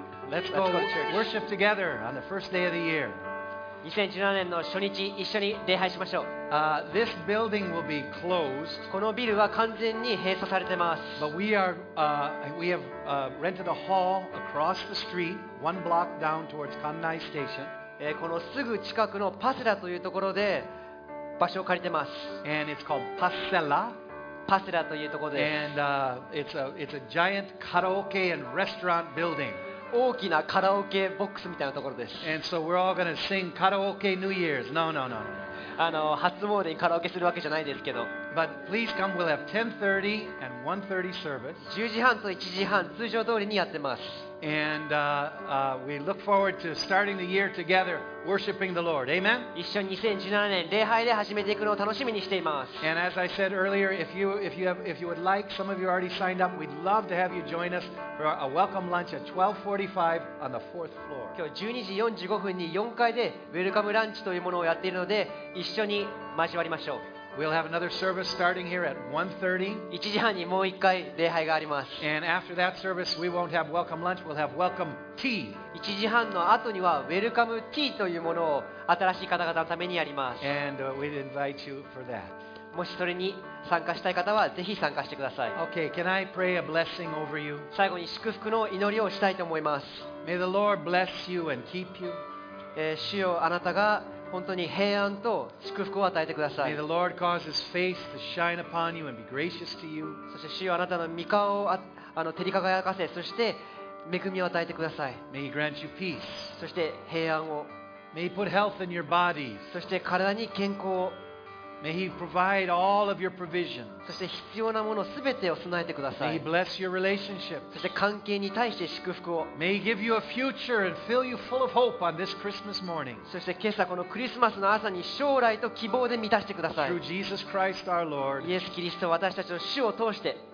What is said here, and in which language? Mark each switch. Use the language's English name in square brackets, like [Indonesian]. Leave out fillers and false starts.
[English] Let's go worship together on the first day of the year. [Japanese] 2017年の初日、一緒に礼拝しましょう。 [English] This building will be closed. [Japanese] このビルは完全に閉鎖されてます。 [English] But we have rented a hall across the street, one block down towards Kannai Station. [Japanese] このすぐ近くのパセラというところで場所を借りてます。 [English] And it's called Pasela. [Japanese] パセラというところです。 [English] And it's a giant karaoke and restaurant building. [Japanese] 大きなカラオケボックスみたいなところです。 [English] And so we're all going to sing karaoke New Year's. No. [Japanese] 初詣にカラオケするわけじゃないですけど。 [English] But please come. We'll have 10:30 and 1:30 service. [Japanese] 10時半と1時半通常通りにやってます。 [English] And we look forward to starting the year together, worshiping the Lord. Amen. [Japanese] 一緒に2017年礼拝で始めていくのを楽しみにしています。 [English] And as I said earlier, if you would like, some of you already signed up, we'd love to have you join us for a welcome lunch at 12:45 on the fourth floor. [Japanese] 今日12時45分に4階でウェルカムランチというものをやっているので、一緒に交わりましょう。 [English] We'll have another service starting here at 1:30. [Japanese] 1時半にもう一回礼拝があります。 [English] And after that service, we won't have welcome lunch. We'll have welcome tea. [Japanese] 1時半の後にはウェルカムティーというものを新しい方々のためにやります。 [English] And we'd invite you for that. [Japanese] もしそれに参加したい方はぜひ参加してください。 [English] Okay, can I pray a blessing over you? [Japanese] 最後に祝福の祈りをしたいと思います。 [English] May the Lord bless you and keep you. [Japanese] 主よ、あなたが本当に平安と祝福を与えてください。 [English] May the Lord cause His face to shine upon you and be gracious to you. [Japanese] そして主よ、あなたの御顔を照り輝かせ、そして恵みを与えてください。 [English] May He grant you peace. [Japanese] そして平安を。 [English] May He put health in your body. [Japanese] そして体に健康を。 [English] May He provide all of your provision. [Japanese] そして必要なものすべてを備えてください。 [English] May He bless your relationship. [Japanese] そして関係に対して祝福を。 [English] May He give you a future and fill you full of hope on this Christmas morning. [Japanese] そして今朝このクリスマスの朝に将来と希望で満たしてください。 [English] Through Jesus Christ our Lord. [Japanese] イエス・キリスト私たちの主を通して。